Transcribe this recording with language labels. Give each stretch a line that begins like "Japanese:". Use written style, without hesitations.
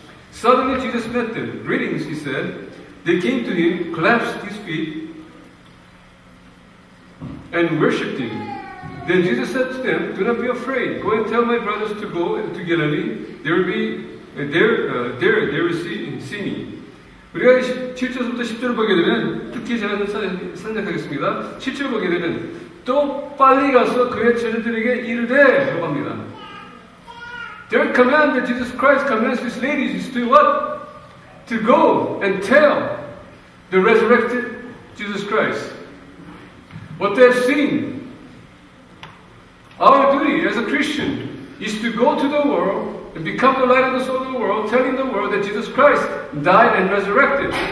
English: Suddenly Jesus met them. Greetings, he said. They came to him, clasped his feet, and worshipped him. Then Jesus said to them, do not be afraid. Go and tell my brothers to go to Galilee. They will see me.
Korean: 우리가 7절부터 10절을 보게 되면, 특히 제가 선택하겠습니다. 7절을 보게 되면, 또 빨리 가서 그의 제자들에게 이르되 라고 합니다.
English: Their command that Jesus Christ commands these ladies is to what? To go and tell the resurrected Jesus Christ what they have seen. Our duty as a Christian is to go to the world and become the light of the soul of the world, telling the world that Jesus Christ died and resurrected.